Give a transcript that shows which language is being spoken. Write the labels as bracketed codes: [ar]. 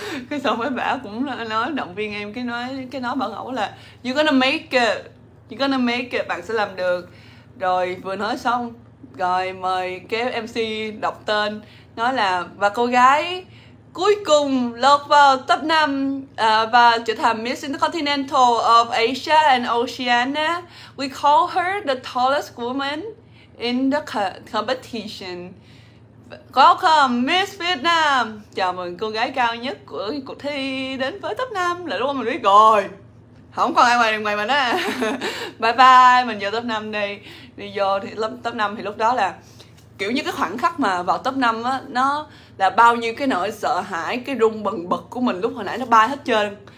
[vi] Cái xong mấy bả cũng nói động viên em, cái nói Bảo Ngọc là [en] you gonna make it, [vi] bạn sẽ làm được. Rồi vừa nói xong rồi mời kéo MC đọc tên, nói là và cô gái cuối cùng lọt vào top 5 và trở thành Miss Intercontinental of Asia and Oceania. [en] We call her the tallest woman in the competition. Welcome Miss Vietnam. [vi] Chào mừng cô gái cao nhất của cuộc thi đến với top 5. Là lúc mà mình biết rồi, Không còn ai ngoài ngoài mình á. [en] Bye bye, [vi] mình vô top 5 đi. Đi vô thì top 5 thì lúc đó là kiểu như cái khoảnh khắc mà vào top 5 á, nó là bao nhiêu cái nỗi sợ hãi, cái rung bần bật của mình lúc hồi nãy nó bay hết trơn.